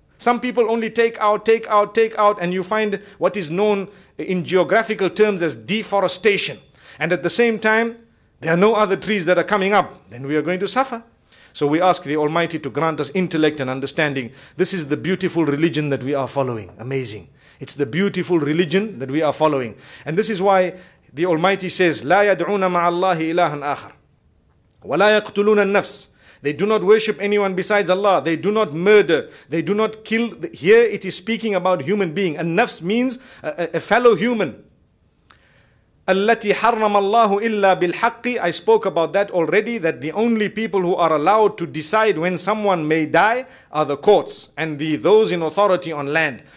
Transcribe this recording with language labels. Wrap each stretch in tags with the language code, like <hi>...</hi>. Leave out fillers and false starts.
<en>Some people only take out, and you find what is known in geographical terms as deforestation. And at the same time, there are no other trees that are coming up. Then we are going to suffer. So we ask the Almighty to grant us intellect and understanding. This is the beautiful religion that we are following. Amazing. It's the beautiful religion that we are following. And this is why the Almighty says,</en> <ar>لا يدعون مع الله إلها آخر ولا يقتلون النفس.</ar> <en>They do not worship anyone besides Allah. They do not murder. They do not kill. Here it is speaking about human being. And nafs means a fellow human.</en> <ar>التي حرم الله إلا بالحق.</ar> <en>I spoke about that already, that the only people who are allowed to decide when someone may die are the courts and those in authority on land.</en>